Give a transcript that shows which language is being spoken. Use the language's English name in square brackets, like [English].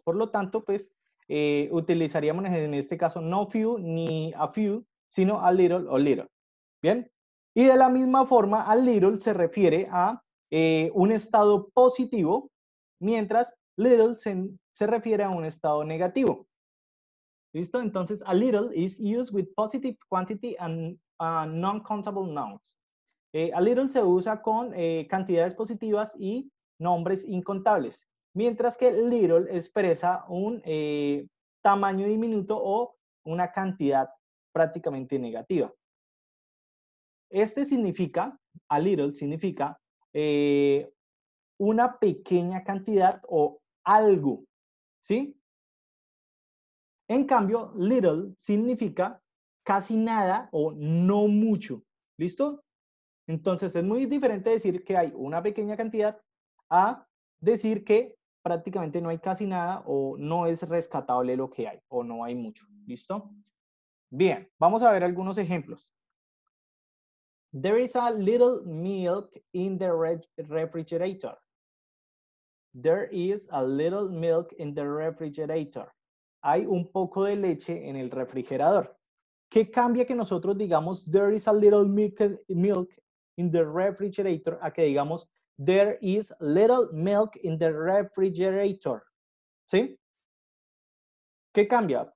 [Spanish] Por lo tanto, pues, utilizaríamos en este caso no few ni a few, sino a little o little. ¿Bien? Y de la misma forma, a little se refiere a un estado positivo, mientras little se refiere a un estado negativo. ¿Listo? [English] Entonces, a little is used with positive quantity and non-countable nouns. [Spanish] A little se usa con cantidades positivas y nombres incontables, mientras que little expresa un tamaño diminuto o una cantidad prácticamente negativa. Este significa, a little significa una pequeña cantidad o algo, ¿sí? En cambio, little significa casi nada o no mucho, ¿listo? Entonces, es muy diferente decir que hay una pequeña cantidad a decir que prácticamente no hay casi nada o no es rescatable lo que hay o no hay mucho, ¿listo? Bien, vamos a ver algunos ejemplos. [English] There is a little milk in the refrigerator. There is a little milk in the refrigerator. [Spanish] Hay un poco de leche en el refrigerador. ¿Qué cambia que nosotros digamos there is a little milk in the refrigerator a que digamos there is little milk in the refrigerator? ¿Sí? ¿Qué cambia?